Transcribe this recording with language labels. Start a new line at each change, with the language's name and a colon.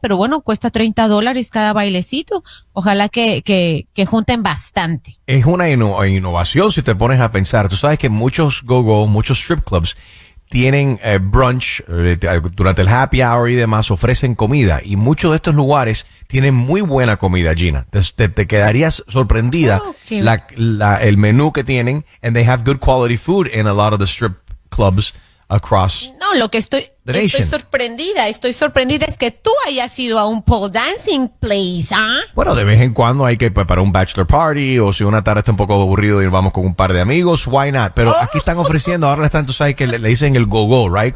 Spanish: Pero bueno, cuesta $30 cada bailecito. Ojalá que junten bastante. Es una innovación si te pones a pensar. Tú sabes que muchos go-go, muchos strip clubs tienen brunch durante el happy hour y demás, ofrecen comida. Y muchos de estos lugares tienen muy buena comida, Gina. Te quedarías sorprendida el menú que tienen.
English: And they have good quality food in a lot of the strip clubs across the nation.
Spanish: No, lo que estoy sorprendida es que tú hayas ido a un pole dancing place, ¿ah? Bueno, de vez en cuando hay que preparar un bachelor party, o si una tarde está un poco aburrido y vamos con un par de amigos,
English: why not?
Spanish: Pero aquí están ofreciendo, ahora están, tú sabes que le dicen el go-go,
English: right?